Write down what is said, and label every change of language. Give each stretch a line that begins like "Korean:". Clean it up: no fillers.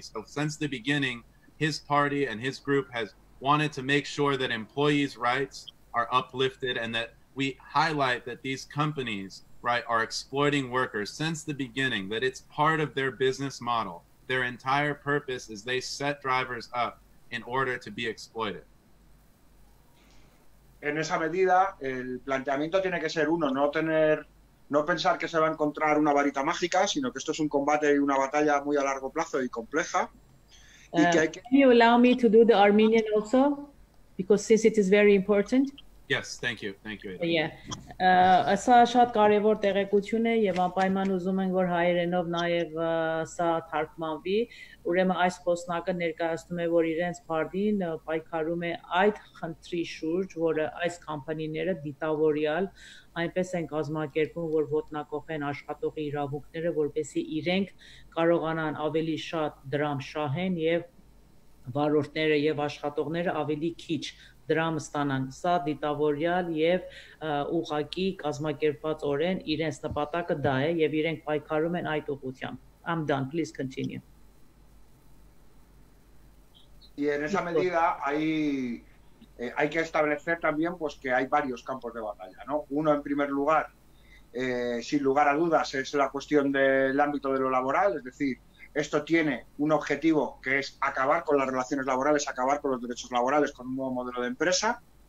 English: So since the beginning, his party and his group has wanted to make sure that employees' rights are uplifted and that we highlight that these companies, right, are exploiting workers since the beginning, that it's part of their business model. Their entire purpose is they set drivers up in order to be exploited.
Spanish: En esa medida, el planteamiento tiene que ser uno, no pensar que se va a encontrar una varita mágica, sino que esto es un combate y una batalla muy a largo plazo y compleja.
English: Can you allow me to do the Armenian also? Because since it is very important. Yes, thank you. Ada. Yeah.
Armenian: Սա շատ կարևոր տեղեկություն է եւ անպայման ուզում ենք որ հայերենով նաեւ սա թարգմանվի։ Ուրեմն այս խոսնակը ներկայացնում է որ իրենց բարդին պայքարում է այդ խնդրի շուրջ, որ այս կամպանիները դիտավորյալ այնպես են կազմակերպում, որ ոտնակոխեն աշխատողի իրավունքները, որպեսզի իրենք կարողանան ավելի շատ դրամ շահեն եւ վարորդները եւ աշխատողները ավելի քիչ դրամ ստանան։ Սա դիտավորյալ եւ ուղակի կազմակերպված օրեն իրենց նպատակը դա է եւ իրենք պայքարում են այդ ուղությամբ։
English: I'm done, please continue.
Spanish: Y en esa medida hay que establecer también pues que hay varios campos de batalla, ¿no? Uno, en primer lugar, sin lugar a dudas, es la cuestión del ámbito de lo laboral, es decir, esto tiene un objetivo que es acabar con las relaciones laborales, acabar con los derechos laborales, con un nuevo modelo de empresa.